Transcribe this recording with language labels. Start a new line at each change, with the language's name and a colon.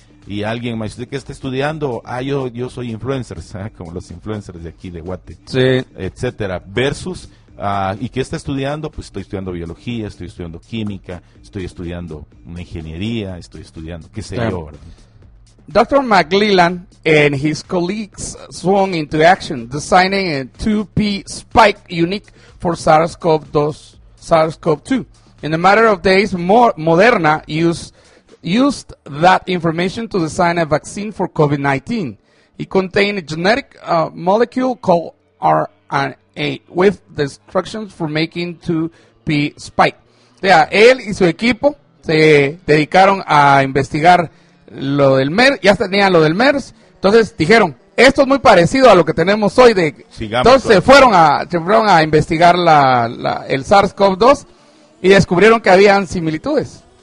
Spanish: Y alguien más, usted que está estudiando, yo soy influencer, ¿eh? Como los influencers de aquí de Guate, sí. Etcétera, versus, ¿y qué está estudiando? Pues estoy estudiando biología, estoy estudiando química, estoy estudiando una ingeniería, estoy estudiando, qué sé yo, ¿verdad?
English: Dr. McLellan and his colleagues swung into action, designing a 2P spike unique for SARS-CoV-2. In a matter of days, Moderna used that information to design a vaccine for COVID-19. It contained a genetic molecule called RNA with the instructions for making 2P spike.
Spanish: Yeah, él y su equipo se dedicaron a investigar lo del MERS, ya tenían lo del MERS, entonces dijeron, esto es muy parecido a lo que tenemos hoy, de sigamos, entonces se fueron a investigar el SARS-CoV-2 y descubrieron que habían similitudes.